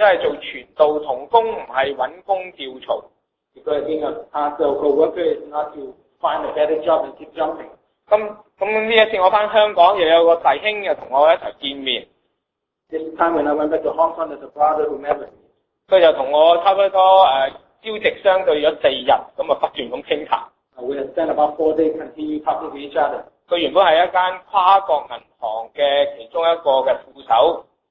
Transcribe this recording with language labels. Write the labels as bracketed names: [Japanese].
[Cantonese] 因为做传道同工唔系揾工跳槽。 [English] Because being a pastor or worker is not to find a better job and keep jumping. [Cantonese] 咁呢一次我翻香港又有个弟兄又同我一齐见面。 [English] This time when I went back to Hong Kong, there's a brother who met me. [Cantonese] 佢就同我差不多朝夕相对咗4日，咁啊不断咁倾谈。 [English] We spent about 4 days continue talking to each other. [Cantonese] 佢原本是一间跨国银行的其中一个的副手。